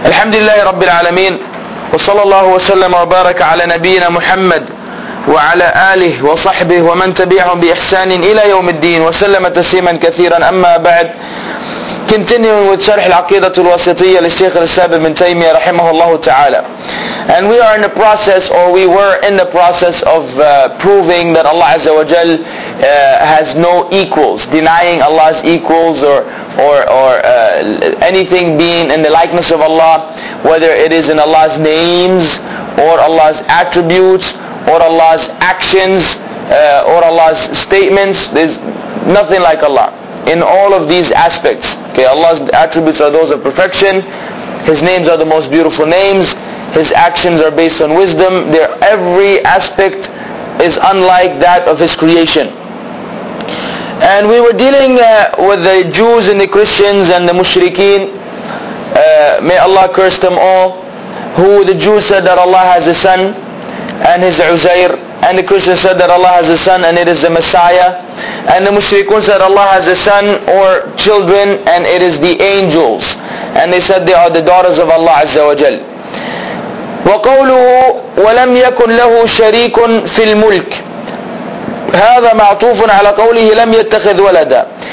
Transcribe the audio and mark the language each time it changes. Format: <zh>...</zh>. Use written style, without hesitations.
<ar>الحمد لله رب العالمين، وصلى الله وسلم وبارك على نبينا محمد وعلى آله وصحبه ومن تبعهم بإحسان إلى يوم الدين وسلم تسليما كثيرا. أما بعد،</ar> <en>continuing with</en> <ar>شرح العقيدة الوسطية للشيخ السابق من تيمية رحمه الله تعالى.</ar> <en>And we are in the process, or we were in the process of proving that Allah Azza wa Jal has no equals, denying Allah's equals or anything being in the likeness of Allah, whether it is in Allah's names or Allah's attributes or Allah's actions or Allah's statements. There's nothing like Allah in all of these aspects. Okay, Allah's attributes are those of perfection. His names are the most beautiful names. His actions are based on wisdom. Their every aspect is unlike that of His creation. And we were dealing with the Jews and the Christians and the Mushrikeen. May Allah curse them all. Who the Jews said that Allah has a son and His Uzair. And the Christians said that Allah has a son and it is the Messiah. And the Mushrikun said Allah has a son or children and it is the angels. And they said they are the daughters of Allah Azza wa Jal.</en> <ar>وقوله ولم يكن له شريك في الملك هذا معطوف على قوله لم يتخذ ولدا.</ar>